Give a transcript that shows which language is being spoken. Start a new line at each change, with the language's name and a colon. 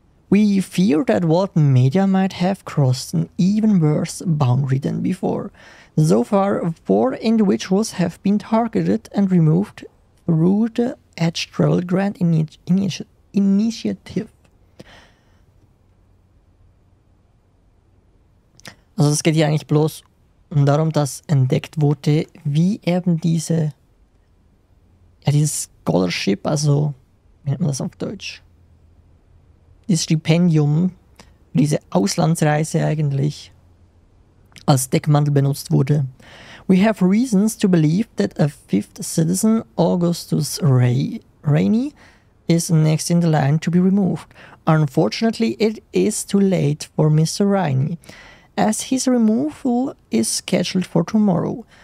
English: We fear that Walton Media might have crossed an even worse boundary than before. So far, four individuals have been targeted and removed through the Edge Travel Grant Initiative.
German: Also es geht hier eigentlich bloß um darum, dass entdeckt wurde, wie eben diese, ja, dieses Scholarship, also wie nennt man das auf Deutsch? Dieses Stipendium, diese Auslandsreise eigentlich als Deckmantel benutzt wurde.
English: We have reasons to believe that a fifth citizen, Augustus Rainey, is next in the line to be removed. Unfortunately, it is too late for Mr. Rainey, as his removal is scheduled for tomorrow.